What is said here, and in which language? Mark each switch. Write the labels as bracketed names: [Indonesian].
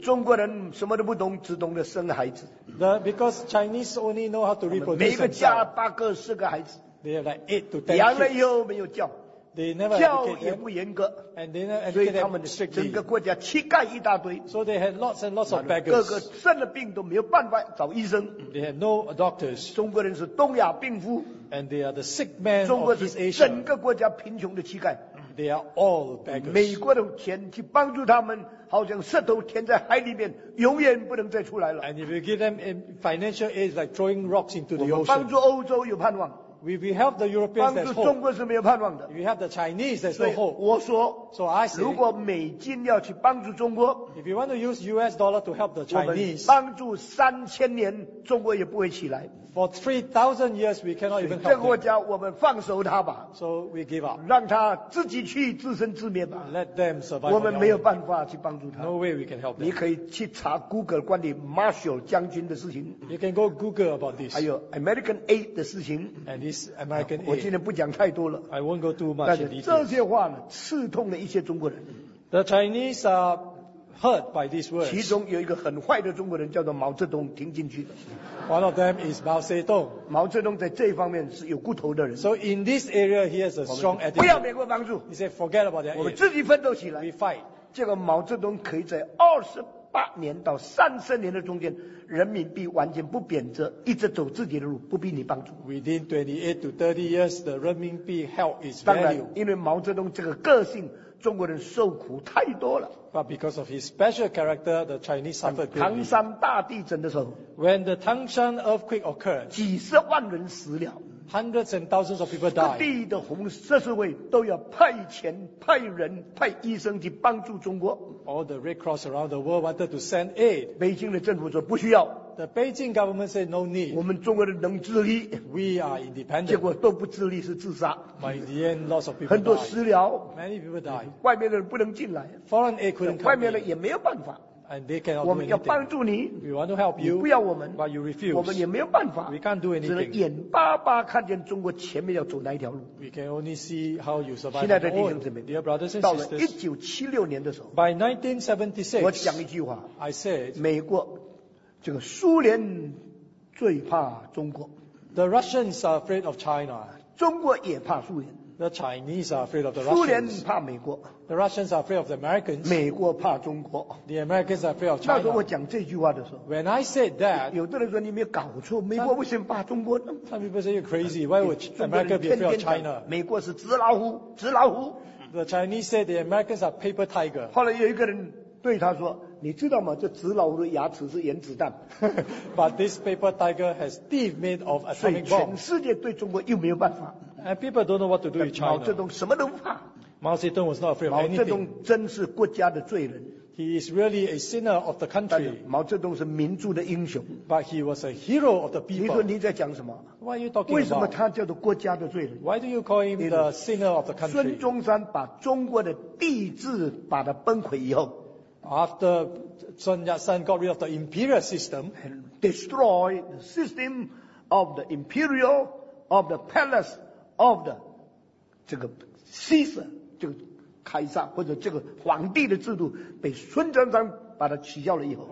[Chinese] 中国人什么都不懂只懂得生孩子 [English] Because Chinese only know how to reproduce themselves. [Chinese] 每个家八个四个孩子 [English] They have like 8 to 10 kids. [Chinese] 养了又没有教 [English] They never [Chinese] 教也不严格 [English] and they never educate them strictly. [Chinese] 所以他们整个国家乞丐一大堆 [English] so they had lots and lots of beggars [Chinese] 各个生了病都没有办法找医生 [English] they had no doctors [Chinese] 中国人是东亚病夫 [English] and they are the sick man of East Asia [Chinese] 整个国家贫穷的乞丐 [English] they are all beggars [Chinese] 美国的钱去帮助他们好像石头填在海里面永远不能再出来了 [English] and if you give them financial aid it's like throwing rocks into the ocean [Chinese] 我们帮助欧洲有盼望 [English] We help the Europeans, there's hope. [Chinese] 帮助中国是没有盼望的。 [English] We help the Chinese, there's no hope. [Chinese] 我说 [English] ，So I say, [Chinese] 如果美金要去帮助中国 [English] ，If you want to use U.S. dollar to help the Chinese, [Chinese] 我们帮助三千年，中国也不会起来。 [English] For 3,000 years, we cannot even help. [Chinese] 这个国家我们放手他吧。 [English] So we give up. [Chinese] 让他自己去自生自灭吧。 [English] Let them survive. [Chinese] 我们没有办法去帮助他。 [English] No way we can help them. [Chinese] 你可以去查 Google 关于 Marshall 将军的事情。 [English] You can go Google about this. [Chinese] 还有 American Aid 的事情。 [English] And this American Aid. [Chinese] 我今天不讲太多了。 [English] I won't go too much. [Chinese] 但是这些话呢，刺痛了一些中国人。 [English] The Chinese are hurt by these words. [Chinese] 其中有一个很坏的中国人叫做毛泽东听进去了。 [English] One of them is Mao Zedong. [Chinese] 毛泽东在这方面是有骨头的人。 [English] So in this area he has a strong attitude. [Chinese] 不要美国帮助。 [English] He said forget about their aid. [Chinese] 我们自己奋斗起来。 [English] We fight. [Chinese] 这个毛泽东可以在28年到30年的中间，人民币完全不贬值，一直走自己的路，不必你帮助。 [English] Within 28 to 30 years, the 人民币 held its value. [Chinese] 当然，因为毛泽东这个个性。中国人受苦太多了。 [English] But because of his special character, the Chinese suffered greatly. [Chinese] 唐山大地震的时候 [English] ，When the Tangshan earthquake occurred, [Chinese] 几十万人死了。 [English] Hundreds and thousands of people died. [Chinese] 各地的红十字会都要派钱、派人、派医生去帮助中国。 [English] All the Red Cross around the world wanted to send aid. [Chinese] 北京的政府说不需要。 [English] The Beijing government said no need. [Chinese] 我们中国人能自立, [English] we are independent. [Chinese] 结果都不自立是自杀, [English] by the end, lots of people [Chinese] 很多私了, [English] died. Many people died. [Chinese] 外面的人不能进来, [English] foreign aid couldn't come. [Chinese] 外面的也没有办法, [English] and they cannot [Chinese] 我们要帮助你, [English] do anything. We want to help you. [Chinese] 你不要我们, [English] but you refuse. [Chinese] 我们也没有办法, [English] we can't do anything. [Chinese] 只能眼巴巴看见中国前面要走哪一条路。 [English] We can only see how you survive. [Chinese] 现在的弟兄姊妹, [English] dear brothers and sisters, [Chinese] 到了1976年的时候, [English] by 1976, [Chinese] 我讲一句话, [English] I said, [Chinese] 美国, 这个苏联最怕中国, [English] the Russians are afraid of China. [Chinese] 中国也怕苏联, [English] the Chinese are afraid of the Russians. [Chinese] 苏联怕美国, [English] the Russians are afraid of the Americans. [Chinese] 美国怕中国, [English] the Americans are afraid of China. [Chinese] 那时候我讲这句话的时候, [English] when I said that, [Chinese] 有的人说你没有搞错, 美国为什么怕中国呢? [English] Some people say you're crazy. Why would America be afraid of China? [Chinese] 美国是纸老虎, 纸老虎, [English] the Chinese said the Americans are paper tiger. [Chinese] 后来有一个人对他说, 你知道吗?这纸老虎的牙齿是原子弹。 [English] But this paper tiger has teeth made of atomic bombs. [Chinese] 所以全世界对中国又没有办法。 [English] And people don't know what to do with China. [Chinese] 毛泽东什么都不怕。 [English] Mao Zedong was not afraid of anything. [Chinese] 毛泽东真是国家的罪人。 [English] He is really a sinner of the country. [Chinese] 毛泽东是民族的英雄。 [English] But he was a hero of the people. [Chinese] 你说你在讲什么? [English] What are you talking [Chinese] 为什么他叫做国家的罪人? [English] Why do you call him the sinner of the country? [Chinese] 孙中山把中国的帝制把它崩溃以后, [English] after Sun Yat-sen got rid of the imperial system, and destroyed the system of the [Chinese] imperial, of the palace, of the 这个 Caesar, 这个凯撒或者这个皇帝的制度, 被孙中山把它取消了以后,